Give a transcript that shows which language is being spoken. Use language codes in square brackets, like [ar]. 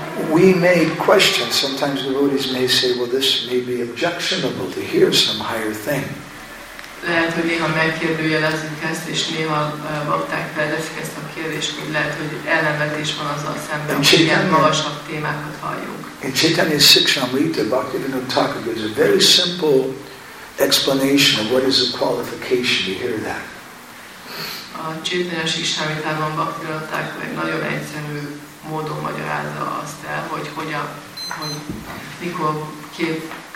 [en] We may question, sometimes the devotees may say, well, this may be objectionable to hear some higher thing. [hu] Lehet, hogy néha megkérdőjelezünk ezt, és néha vakták felteszik ezt a kérdést, hogy lehet, hogy ellenvetés van azzal szemben, hogy ilyen magasabb témákat halljunk. [en] In Chaitanya Sikshamrita, Bhaktivinoda Thakur gives a very simple explanation of what is the qualification to hear that. [hu] A Chaitanya Sikshamritában Bhaktivinoda Thakur egy nagyon egyszerű módon magyarázza azt el, hogy hogyan, hogy mikor kép